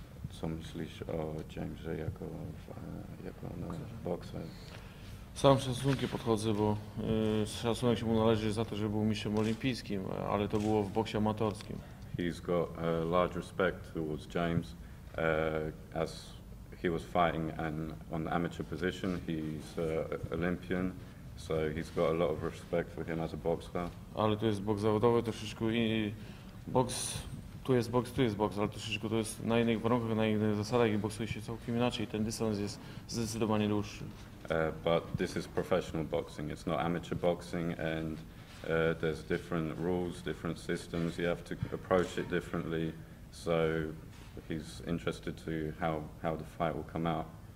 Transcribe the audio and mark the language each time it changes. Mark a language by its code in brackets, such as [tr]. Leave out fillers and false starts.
[pl] Co myślisz o Jamesie jako, jako no, bokser? Sam z szacunkiem podchodzę, bo szacunek się mu należy za to, że był mistrzem olimpijskim, ale to było w boksie amatorskim. [en] He's got a large respect towards James as he was fighting and on the amateur position. He's an Olympian, so he's got a lot of respect for him as a boxer. [pl] Ale to jest boks zawodowy, troszeczkę inny boks. Tu jest boks, ale troszeczkę to jest na innych warunkach, na innych zasadach i boksuje się całkiem inaczej. Ten dystans jest zdecydowanie dłuższy. [en] But this is professional boxing, it's not amateur boxing and there's different rules, different systems, you have to approach it differently. So he's interested to how the fight will come out.